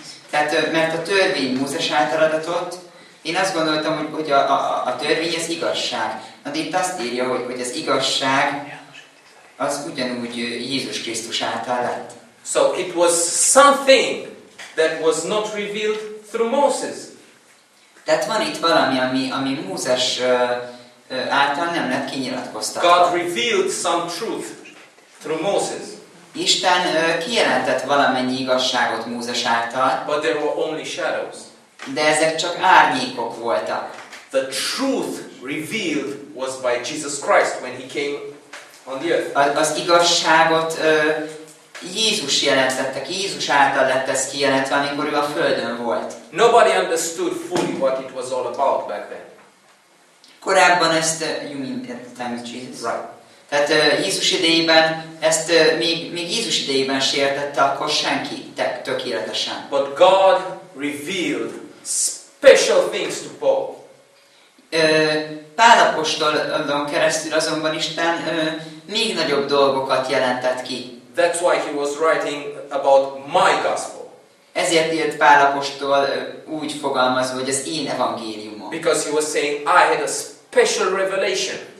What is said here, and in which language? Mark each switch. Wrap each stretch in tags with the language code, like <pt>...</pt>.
<hu>Tehát mert a törvény Mózes által adatott, én azt gondoltam, hogy a törvény az igazság. Na, de itt azt írja, hogy az igazság az ugyanúgy Jézus Krisztus által lett.</hu> <en>So it was something that was not revealed through Moses.</en> <hu>Tehát van itt valami, ami Mózes által nem lett kinyilatkoztatva.</hu> <en>God revealed some truth through Moses.</en> <hu>Isten kijelentett valamennyi igazságot Mózes által.</hu> <en>But there were only shadows.</en> <hu>De ezek csak árnyékok voltak.</hu> <en>The truth revealed was by Jesus Christ when he came on the earth.</en> <hu>Az igazságot Jézus jelentette ki, Jézus által lett ez kijelentve, amikor ő a Földön volt.</hu> <en>Nobody understood fully what it was all about back then.</en> <hu>Korábban ezt,</hu> <en>you mean at the time of Jesus? Right.</en> <hu>Tehát Jézus idejében, ezt még Jézus idejében se értette akkor senki tökéletesen.</hu> <en>But God revealed special things to Paul.</en> <hu>Pál apostolon keresztül azonban Isten még nagyobb dolgokat jelentett ki.</hu> <en>That's why he was writing about my gospel.</en> <hu>Ezért írt Pál apostol úgy fogalmazva, hogy az én evangéliumom.</hu> <en>Because he was saying I had a special revelation.</en>